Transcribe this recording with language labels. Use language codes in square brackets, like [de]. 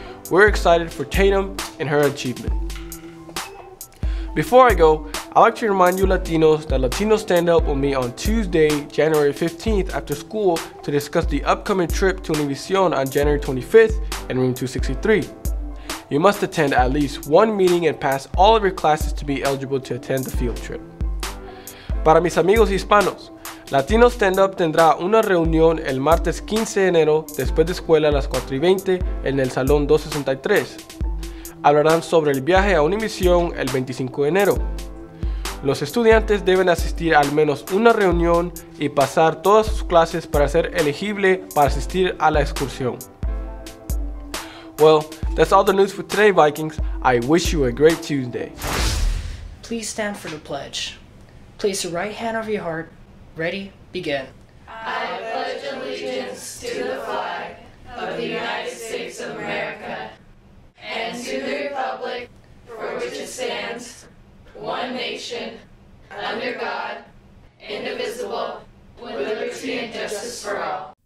[en] We're excited for Tatum and her achievement. Before I go, I'd like to remind you Latinos that Latino Stand Up will meet on Tuesday, January 15th after school to discuss the upcoming trip to Univision on January 25th in room 263. You must attend at least one meeting and pass all of your classes to be eligible to attend the field trip. [es] Para mis amigos hispanos, Latino Stand Up tendrá una reunión el martes 15 de enero después de escuela a las 4:20 en el Salón 263. Hablarán sobre el viaje a Univision el 25 de enero. Los estudiantes deben asistir al menos una reunión y pasar todas sus clases para ser elegible para asistir a la excursión. [en] Well, that's all the news for today, Vikings. I wish you a great Tuesday. Please stand for the pledge. Place your right hand over your heart. Ready, begin. I pledge allegiance to the flag of the United States of America and to the republic for which it stands, one nation, under God, indivisible, with liberty and justice for all.